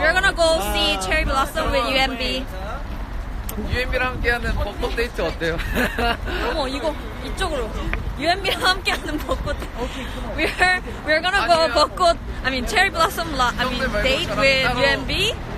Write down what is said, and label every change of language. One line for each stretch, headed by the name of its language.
English: We're gonna go see Cherry Blossom with UMB.
Korean: UMB랑 함께하는 벚꽃 데이트 어때요? 어머, 이거 이쪽으로 UMB랑 함께하는 벚꽃 오케이.
English: We're gonna go
Korean: 벚꽃
English: I mean cherry blossom la, I mean date with UMB.